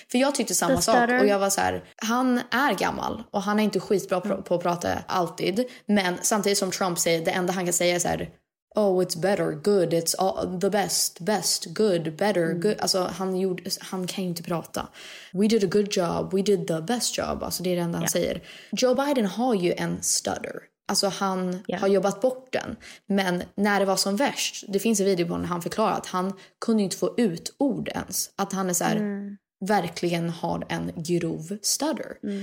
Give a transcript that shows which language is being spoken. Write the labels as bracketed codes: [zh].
[sv] För jag tyckte samma sak. Och jag var så här, han är gammal. Och han är inte skitbra på att prata alltid. Men samtidigt som Trump säger, det enda han kan säga är så här, [en] oh, it's better, good, [sv] it's all, the best, good, better, good. Alltså, han kan ju inte prata. [en] We did a good job, we did the best job. [sv] Alltså, det är det enda han säger. Joe Biden har ju en stutter. Alltså, han har jobbat bort den. Men när det var som värst, det finns en video på när han förklarar att han kunde inte få ut ord ens. Att han är så här, verkligen har en grov stutter.